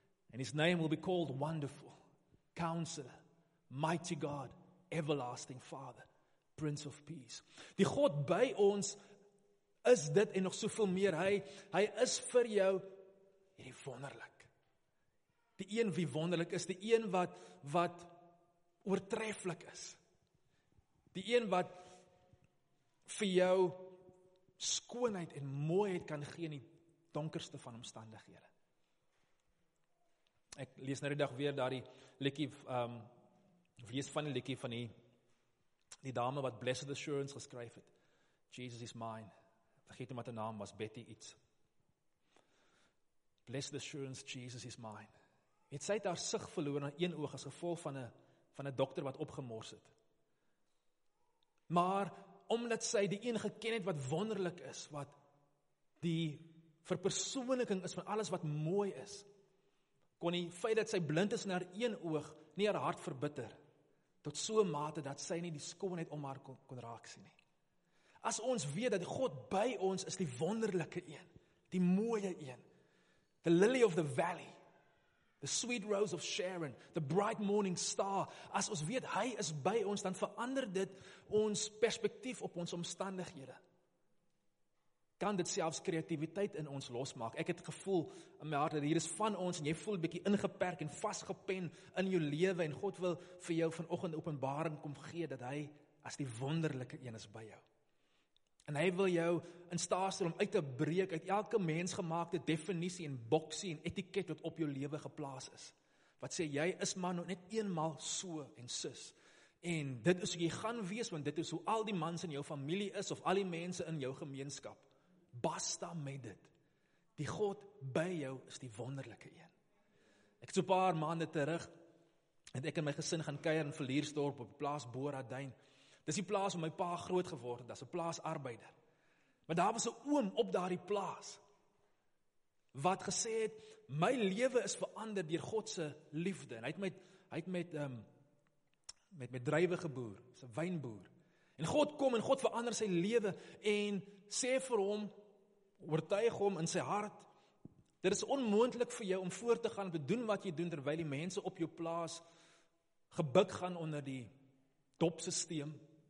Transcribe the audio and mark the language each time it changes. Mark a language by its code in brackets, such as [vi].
[en] And his name will be called Wonderful, Counselor, Mighty God, Everlasting Father, Prince of Peace. [af] Die God by ons is dit en nog soveel meer. Hy is vir jou hierdie wonderlik. Die een wie wonderlik is, die een wat oortreflik is. Die een wat vir jou skoonheid en mooiheid kan gee in die donkerste van omstandighede. Ek lees nou die dag weer daardie liedjie lees van die liedjie van die dame wat Blessed Assurance geskryf het. [en] Jesus is mine. [af] Vergeet nie wat haar naam was, Betty iets. [en] Blessed Assurance, Jesus is mine. [af] Het sy haar sig verloor na een oog as gevolg van 'n dokter wat opgemors het. Maar omdat sy die een geken het wat wonderlik is, wat die verpersoonliking is van alles wat mooi is, kon die feit dat sy blind is in haar een oog nie haar hart verbitter, tot so mate dat sy nie die skoonheid om haar kon raak sien nie. As ons weet dat God by ons is die wonderlike een, die mooie een, [en] the lily of the valley, the sweet rose of Sharon, the bright morning star. [af] As ons weet, hy is by ons, dan verander dit ons perspektief op ons omstandighede. Kan dit selfs kreatiwiteit in ons losmaak? Ek het gevoel in my hart dat hier is van ons, en jy voel 'n bietjie ingeperk en vasgepen in jou lewe, en God wil vir jou vanoggend openbaring kom gee, dat hy as die wonderlike een is by jou. En hy wil jou in staat stel om uit te breek uit elke mensgemaakte definisie en boksie en etiket wat op jou lewe geplaas is. Wat sê, jy is man net eenmaal so en sus. En dit is hoe jy gaan wees, want dit is hoe al die mans in jou familie is, of al die mense in jou gemeenskap. Basta met dit. Die God by jou is die wonderlike een. Ek het so paar maande terug, het ek en my gesin gaan kuier in Villiersdorp op die plaas Boraduin. Dis die plaas waar my pa groot geworden, dat is een plaasarbeider. Maar daar was 'n oom op daardie plaas, wat gesê het, my lewe is verander deur Godse liefde. En hy het met druiwe geboer, is 'n wynboer. En God kom en God verander sy lewe en sê vir hom, oortuig hom in sy hart, dit is onmoontlik vir jou om voort te gaan om te doen wat jy doen, terwyl die mense op jou plaas gebuk gaan onder die dopsysteem.